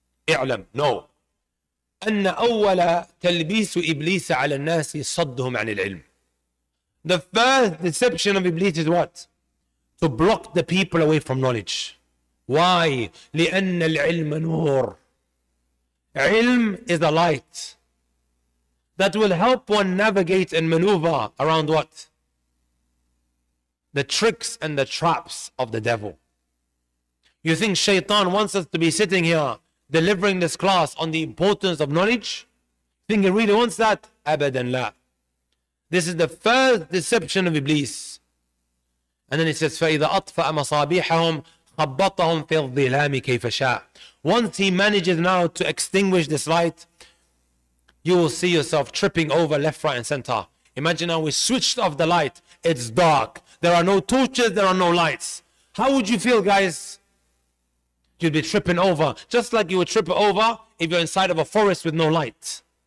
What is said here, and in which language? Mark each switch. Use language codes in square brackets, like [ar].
[ar] اعلم نو أن أول تلبيس إبليس على الناس صدهم عن العلم. [en] The first deception of Iblis is what? To block the people away from knowledge. Why? [ar] لأن العلم نور. [en] علم is a light that will help one navigate and maneuver around what? The tricks and the traps of the devil. You think Shaitan wants us to be sitting here delivering this class on the importance of knowledge? Think he really wants that? [ar] Abadan la. [en] This is the first deception of Iblis. And then it says, [ar] فَإِذَا أَطْفَأَ مَصَابِيحَهُمْ خَبَّطَهُمْ فِي الظِّلَامِ كَيْفَ شَاءَ. [en] Once he manages now to extinguish this light, you will see yourself tripping over left, right, and center. Imagine now we switched off the light. It's dark. There are no torches. There are no lights. How would you feel, guys? You'd be tripping over, just like you would trip over if you're inside of a forest with no light.